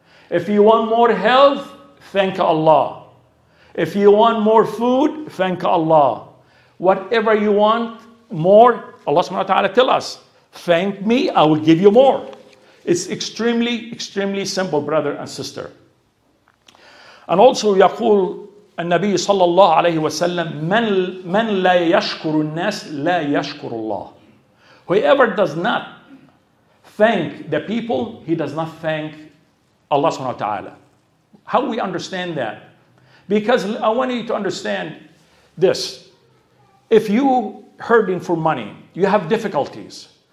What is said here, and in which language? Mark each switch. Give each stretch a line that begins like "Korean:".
English: If you want more health, thank Allah. If you want more food, thank Allah. Whatever you want more, Allah subhanahu wa ta'ala tell us, thank me, I will give you more. It's extremely, extremely simple, brother and sister. And also,
Arabic: يقول النبي صلى الله عليه وسلم, من لا يشكر الناس لا يشكر الله.
English: Whoever does not thank the people, he does not thank Allah subhanahu wa ta'ala. How we understand that? Because I want you to understand this. If you hurting for money, you have difficulties.